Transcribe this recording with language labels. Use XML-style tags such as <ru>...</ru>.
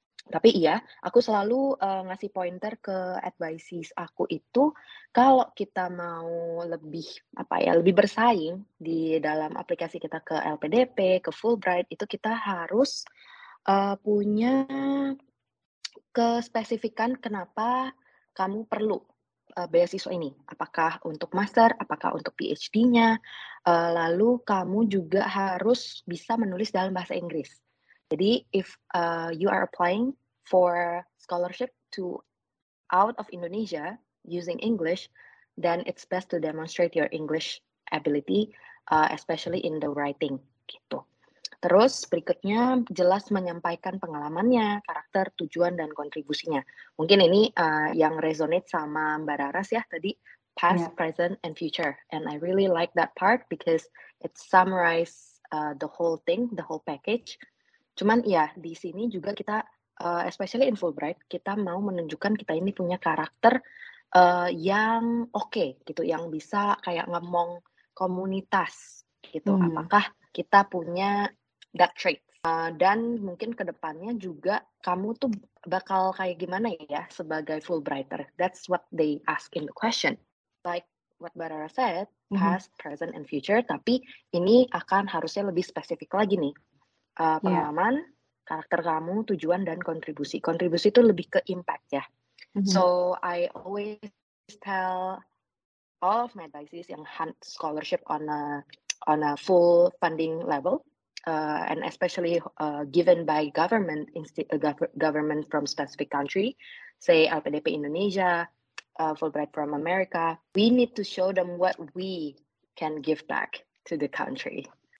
<id>Tapi iya, aku selalu ngasih pointer ke advices aku itu kalau kita mau lebih apa ya, lebih bersaing di dalam aplikasi kita ke LPDP, ke Fulbright itu kita harus punya kespesifikan kenapa kamu perlu beasiswa ini, apakah untuk master, apakah untuk PhD-nya, lalu kamu juga harus bisa menulis dalam bahasa Inggris.</id> <en>Jadi, if you are applying for scholarship to out of Indonesia using English, then it's best to demonstrate your English ability, especially in the writing.</en> <id>Gitu. Terus, berikutnya, jelas menyampaikan pengalamannya, karakter, tujuan, dan kontribusinya. Mungkin ini yang resonate sama Mbak Raras ya tadi,</id> <en>past, yeah, present, and future. And I really like that part because it summarizes the whole thing, the whole package.</en> <id>Cuman ya, di sini juga kita,</id> <en>especially in Fulbright,</en> <id>kita mau menunjukkan kita ini punya karakter yang oke, gitu, yang bisa kayak ngomong komunitas, gitu. Hmm. Apakah kita punya</id> <en>that trait.</en> <id>Dan mungkin kedepannya juga kamu tuh bakal kayak gimana ya sebagai Fulbrighter.</id> <en>That's what they ask in the question. Like what Barara said, past, mm-hmm, present, and future.</en> <id>Tapi ini akan harusnya lebih spesifik lagi nih. Pengalaman, yeah, karakter kamu, tujuan, dan kontribusi. Kontribusi itu lebih ke impact ya. Mm-hmm.</id> <en>So I always tell all of my advices yang hunt scholarship on a full funding level, and especially given by government government from specific country, say LPDP Indonesia, Fulbright from America, we need to show them what we can give back to the country.</en>